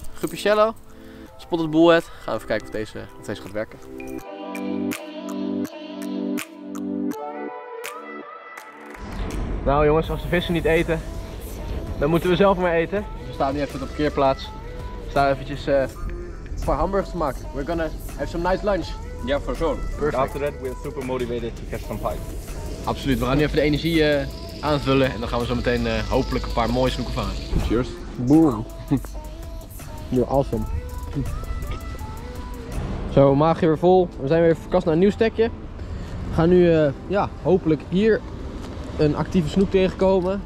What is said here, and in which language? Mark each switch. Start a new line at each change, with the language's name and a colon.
Dutch: Guppy shallow, spotted bullhead, gaan we even kijken of deze gaat werken. Nou jongens, als de vissen niet eten, dan moeten we zelf maar eten. We staan nu even op de parkeerplaats. We staan eventjes voor hamburgers te maken.
English: We're gonna have some nice lunch. Ja, yeah, for sure. Perfect. After that, we're super motivated to catch some pike.
Dutch: Absoluut, we gaan nu even de energie aanvullen en dan gaan we zo meteen hopelijk een paar mooie snoeken vangen.
English: Cheers. Boom. You're awesome.
Dutch: Zo, maag weer vol. We zijn weer verkast naar een nieuw stekje. We gaan nu hopelijk hier een actieve snoek tegenkomen.